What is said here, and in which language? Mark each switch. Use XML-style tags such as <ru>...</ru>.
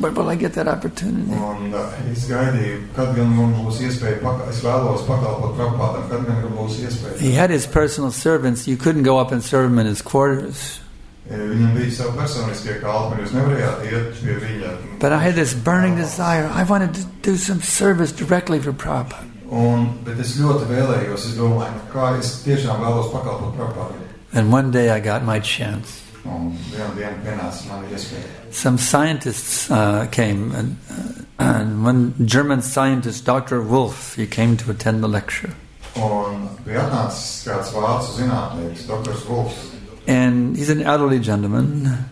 <en>Where will I get that opportunity? He had his personal servants. You couldn't go up and serve him in his quarters. But I had this burning desire. I wanted to do some service directly for Prabhupada.</en> <lv>Un, bet es ļoti vēlējos, es domāju, kā es tiešām vēlos pakalpot Prabhupādai.</lv> <en>And one day I got my chance.</en> <lv>Un vienu dienu pienāca mani iespēja.</lv> <en>Some scientists came, and one German scientist, Dr. Wolf, he came to attend the lecture.</en> <lv>Un atnāca kāds vācu zinātnieks, Dr. Wolf.</lv> <en>And he's an elderly gentleman.</en>